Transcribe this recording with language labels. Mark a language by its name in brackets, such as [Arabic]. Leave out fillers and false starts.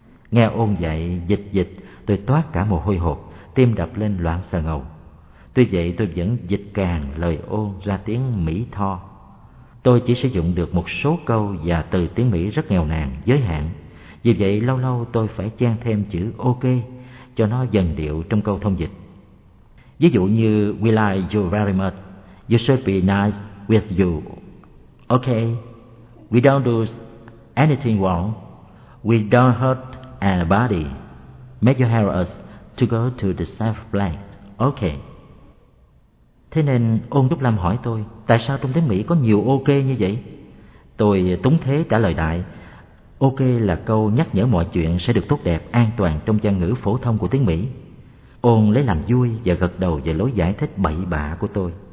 [Vietnamese] Nghe Ôn dạy dịch, tôi toát cả mồ hôi hột, tim đập lên loạn sờ ngầu. Tuy vậy tôi vẫn dịch càn lời Ôn ra tiếng Mỹ tho. Tôi chỉ sử dụng được một số câu và từ tiếng Mỹ rất nghèo nàn, giới hạn. Vì vậy lâu lâu tôi phải chen thêm chữ OK cho nó dần điệu trong câu thông dịch. Ví dụ như [English] "We like you very much. You should be nice with you. Okay. We don't do anything wrong. We don't hurt anybody. Make you help us to go to the safe place. Okay." [Vietnamese] Thế nên Ôn Trúc Lâm hỏi tôi, tại sao trong tiếng Mỹ có nhiều OK như vậy? Tôi túng thế trả lời đại, OK là câu nhắc nhở mọi chuyện sẽ được tốt đẹp, an toàn trong văn ngữ phổ thông của tiếng Mỹ. Ôn lấy làm vui và gật đầu về lối giải thích bậy bạ của tôi.